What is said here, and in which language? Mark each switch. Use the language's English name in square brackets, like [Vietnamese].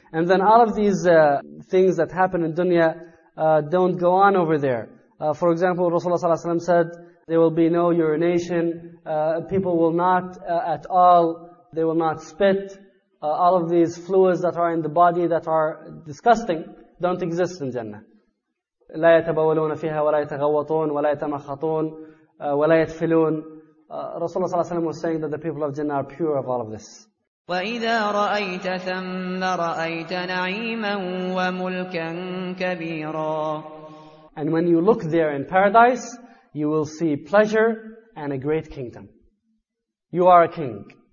[English] And then all of these things that happen in dunya don't go on over there. For example, Rasulullah ﷺ said, there will be no urination, people will not at all, they will not spit. All of these fluids that are in the body that are disgusting don't exist in Jannah. [Arabic] لا يتبولون فيها ولا يتغوطون ولا يتمخطون ولا يتفلون. [English] Rasulullah صلى الله عليه وسلم was saying that the people of Jannah are pure of all of this. [Arabic] وَإِذَا رَأَيْتَ ثَمَّ رَأَيْتَ نَعِيمًا وَمُلْكًا كَبِيرًا. [English] And when you look there in paradise, you will see pleasure and a great kingdom. You are a king.